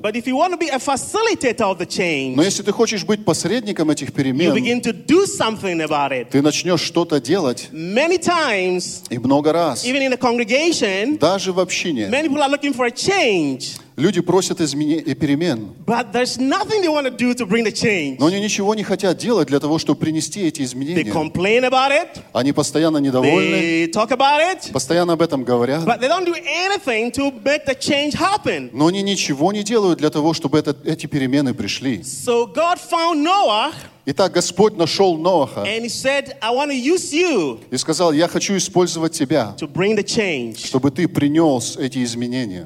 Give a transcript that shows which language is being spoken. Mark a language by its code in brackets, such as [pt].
[en] But if you want to be a facilitator of the change, [ru] но если ты хочешь быть посредником этих перемен, [en] you begin to do something about it. [ru] Ты начнешь что-то делать. [en] Many times, [ru] и много раз, [en] even in the congregation, [ru] даже в общине, [en] many people are looking for a change. [ru] Люди просят изменений и перемен. [en] But there's nothing they want to do to bring the change. [ru] Но они ничего не хотят делать для того, чтобы принести эти изменения. [en] They complain about it. [ru] Они постоянно недовольны. [en] They talk about it. [ru] Постоянно об этом говорят. [en] But they don't do anything to make the change happen. [ru] Но они ничего не делают для того, чтобы эти перемены пришли. [en] So God found Noah. [ru] Итак, Господь нашел Ноаха. [en] And he said, I want to use you. [ru] И сказал, я хочу использовать тебя. [en] To bring the change. [ru] Чтобы ты принес эти изменения.